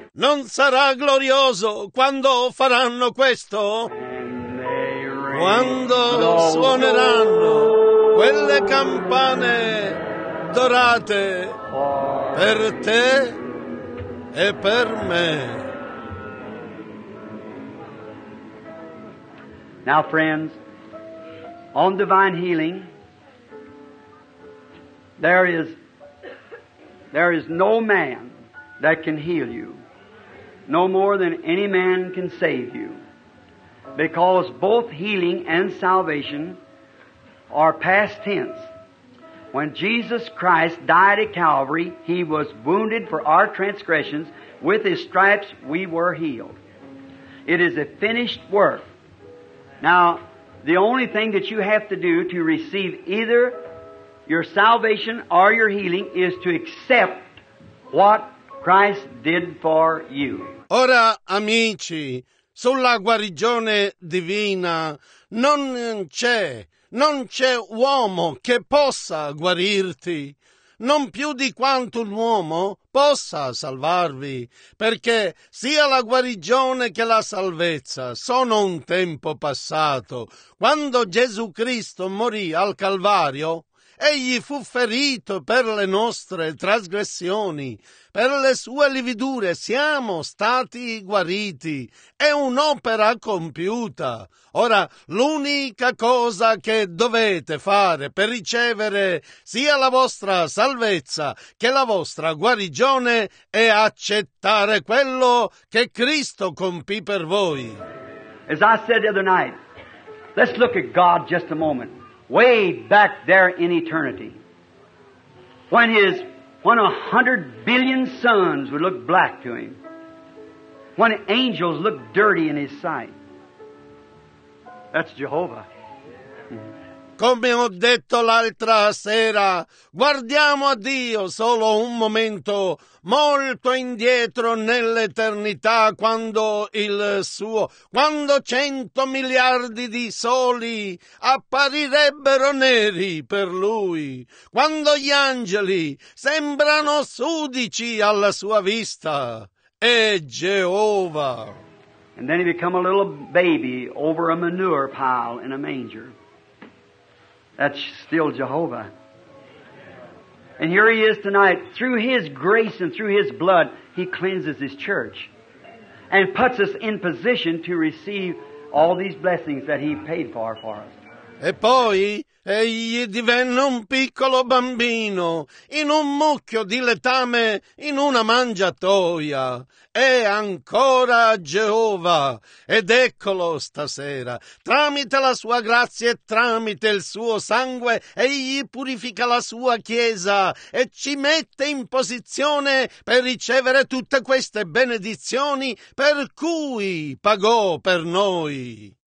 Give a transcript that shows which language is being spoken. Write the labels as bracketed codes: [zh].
[it] Non sarà glorioso quando faranno questo? Quando suoneranno quelle campane dorate per te e per me. [en] Now friends, on divine healing there is no man that can heal you, no more than any man can save you, because both healing and salvation are past tense. When Jesus Christ died at Calvary, He was wounded for our transgressions. With His stripes, we were healed. It is a finished work. Now, the only thing that you have to do to receive either your salvation or your healing is to accept what Christ did for you. [it] Ora, amici, sulla guarigione divina non c'è uomo che possa guarirti, non più di quanto un uomo possa salvarvi, perché sia la guarigione che la salvezza sono un tempo passato. Quando Gesù Cristo morì al Calvario, Egli fu ferito per le nostre trasgressioni, per le sue lividure siamo stati guariti. È un'opera compiuta. Ora, l'unica cosa che dovete fare per ricevere sia la vostra salvezza che la vostra guarigione è accettare quello che Cristo compì per voi. [en] As I said the other night, let's look at God just a moment. Way back there in eternity, when 100 billion suns would look black to him, when angels looked dirty in his sight, that's Jehovah. [it] Come ho detto l'altra sera, guardiamo a Dio solo un momento, molto indietro nell'eternità, quando 100 miliardi di soli apparirebbero neri per Lui, quando gli angeli sembrano sudici alla sua vista, è Geova. [en] And then he become a little baby over a manure pile in a manger. That's still Jehovah. And here he is tonight. Through his grace and through his blood, he cleanses his church and puts us in position to receive all these blessings that he paid for us. [it] E poi egli divenne un piccolo bambino in un mucchio di letame in una mangiatoia. È ancora Geova, ed eccolo stasera. Tramite la sua grazia e tramite il suo sangue, egli purifica la sua chiesa e ci mette in posizione per ricevere tutte queste benedizioni per cui pagò per noi.